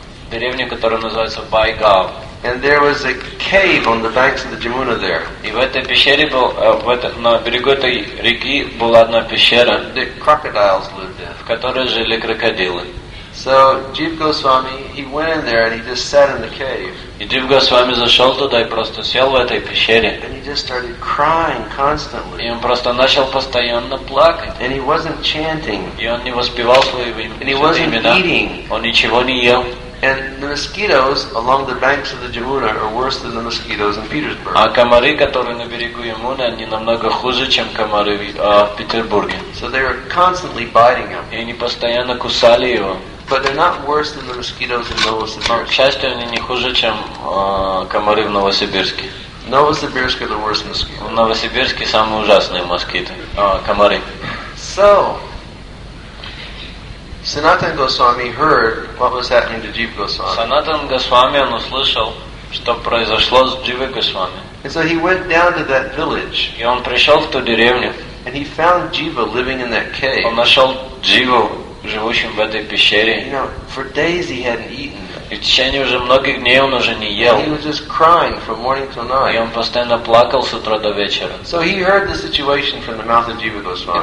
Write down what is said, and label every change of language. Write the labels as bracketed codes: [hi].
[ru] Деревня, которая называется Baigaon. [en] And there was a cave on the banks of the Jamuna there. [ru] И в этой пещере был, в этом, на берегу этой реки была одна пещера, [en] the crocodiles lived there. [ru] В которой жили крокодилы. [en] So Jiva Goswami, he went in there and he just sat in the cave. [ru] И Jiva Goswami зашел туда и просто сел в этой пещере. [en] And he just started crying constantly. [ru] И он просто начал постоянно плакать. [en] And he wasn't chanting. [ru] И он не воспевал свои имена. [en] And he wasn't eating. [ru] Он ничего не ел. [en] And the mosquitoes along the banks of the Jamuna are worse than the mosquitoes in Petersburg. [ru] А комары, которые на берегу Ямуны, они намного хуже, чем комары в Петербурге. [en] So they were constantly biting him. [ru] И они постоянно кусали его. [en] But they're not worse than the mosquitoes in Novosibirsk. [ru] К счастью, они не хуже, чем комары в Новосибирске. [en] Novosibirsk are the worst mosquitoes. [ru] В Новосибирске самые ужасные москиты, комары. [en] So, Sanatan Goswami heard what was happening to Jiva Goswami. [ru] Sanatan Goswami, он услышал, что произошло с Jiva Goswami. [en] And so he went down to that village. [ru] И он пришел в ту деревню. [en] And he found Jiva living in that cave. [ru] Он нашел Jiva, живущим в этой пещере. [en] You know, for days he hadn't eaten. [ru] И в течение уже многих дней он уже не ел. [en] And he was just crying from morning till night. [ru] И он постоянно плакал с утра до вечера. [en] So he heard the situation from the mouth of Jiva Goswami.